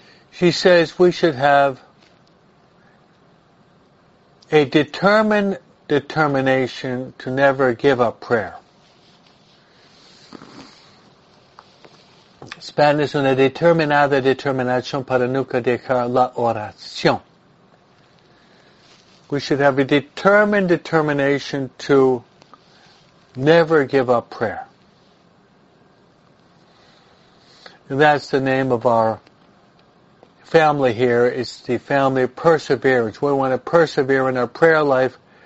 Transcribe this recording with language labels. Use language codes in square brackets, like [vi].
[en] She says we should have a determined determination to never give up prayer. [es] Spanish, una determinada determinación para nunca dejar la oración. [en] We should have a determined determination to never give up prayer. And that's the name of our family here. It's the family of perseverance. We want to persevere in our prayer life.